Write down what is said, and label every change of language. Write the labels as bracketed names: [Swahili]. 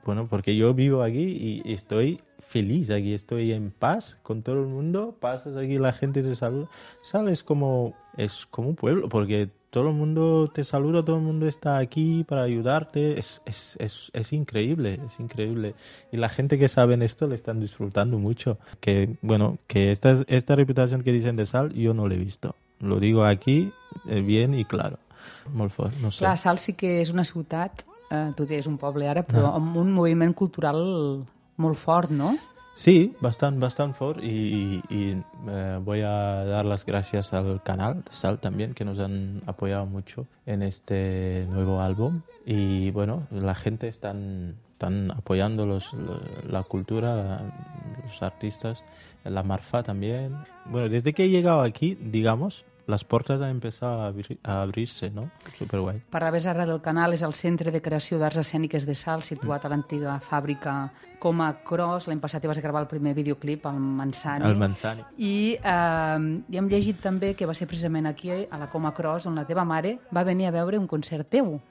[Spanish] Bueno, porque yo vivo aquí y estoy feliz aquí, estoy en paz con todo el mundo, pasas aquí, la gente se saluda, sales como, es como un pueblo, porque todo el mundo te saluda, todo el mundo está aquí para ayudarte, es increíble. Y la gente que sabe esto le están disfrutando mucho. Que, bueno, que esta reputación que dicen de Salt, yo no la he visto. Lo digo aquí, bien y claro. [Catalan] Molt fort, no sé. Clar, Salt sí que és una ciutat, tu tens un poble ara, però amb un moviment cultural molt fort, no? Sí, bastant fort i [Spanish] voy a dar las gracias al canal Salt también, que nos han apoyado mucho en este nuevo álbum. Y bueno, la gente están apoyando la cultura, los artistas, la Marfa también. Bueno, desde que he llegado aquí, digamos, las puertas han empezado a abrirse, ¿no? Súper guay. [Catalan] Parlaves ara del canal, és el Centre de Creació d'Arts Escèniques de Salt, situat a l'antiga fàbrica Coma Cross. L'any passat hi vas gravar el primer videoclip, el Manzani. El Manzani. I hem llegit també que va ser precisament aquí, a la Coma Cross, on la teva mare va venir a veure un concert teu.